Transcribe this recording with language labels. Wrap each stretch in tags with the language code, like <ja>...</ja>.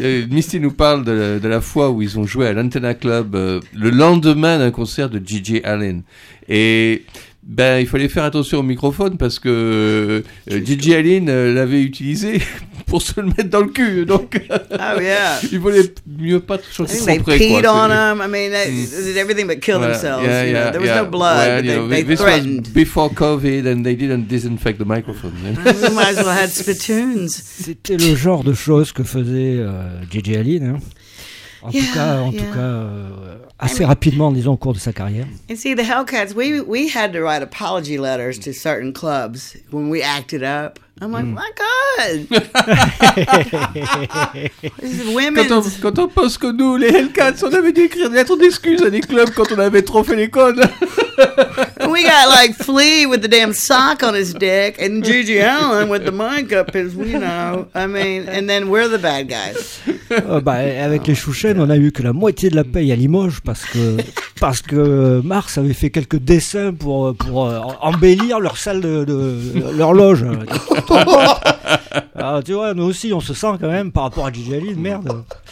<fr>Misty nous parle de la fois où ils ont joué à l'Antenna Club le lendemain d'un concert de G.G. Allin. Et ben, il fallait faire attention au microphone parce que J.J. Allin l'avait utilisé pour se le mettre dans le cul. Donc, il voulait mieux pas trop chanter trop près.</fr> <en>They peed on him. I mean, they did everything but kill themselves. No blood. Well, they threatened. This was before COVID and they didn't disinfect the microphone. We might as well had spittoons.</en> <fr>C'était le genre de choses que faisait J.J. Allin. Hein. En tout cas, assez rapidement, disons, au cours de sa carrière.</fr> <en>And see, the Hellcats, we had to write apology letters to certain clubs when we acted up. I'm like, my God!</en> <fr>quand on pense que nous, les Hellcats, on avait dû écrire des lettres d'excuses à des clubs quand on avait trop fait les codes.</fr> <en>We got like Flea with the damn sock on his dick and G.G. Allin with the mic up his, you know. I mean, and then we're the bad guys.</en> <fr>Avec les Chouchennes, on a eu que la moitié de la paye à Limoges parce que Mars avait fait quelques dessins pour embellir leur salle de leur loge. Alors, tu vois, nous aussi, on se sent quand même par rapport à G.G. Allin, merde.</fr>